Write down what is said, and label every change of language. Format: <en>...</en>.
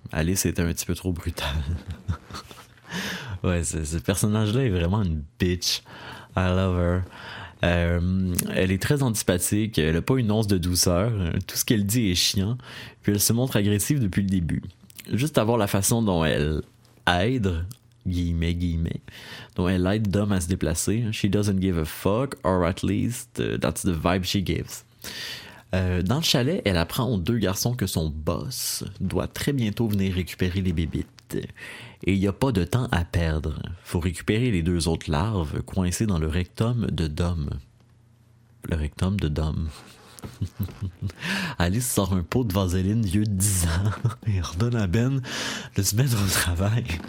<fr>Alice était un petit peu trop brutale. Ouais, ce personnage-là est vraiment une bitch.</fr> <en>I love her.</en> <fr>Elle est très antipathique, elle n'a pas une once de douceur, tout ce qu'elle dit est chiant, puis elle se montre agressive depuis le début. Juste à voir la façon dont elle aide, guillemets, dont elle aide Dom à se déplacer.</fr> <en>She doesn't give a fuck, or at least that's the vibe she gives.</en> <fr>Dans le chalet, elle apprend aux deux garçons que son boss doit très bientôt venir récupérer les bébites. Et il n'y a pas de temps à perdre. Faut récupérer les deux autres larves coincées dans le rectum de Dom. Le rectum de Dom. Alice sort un pot de vaseline vieux de 10 ans et ordonne à Ben de se mettre au travail.</fr>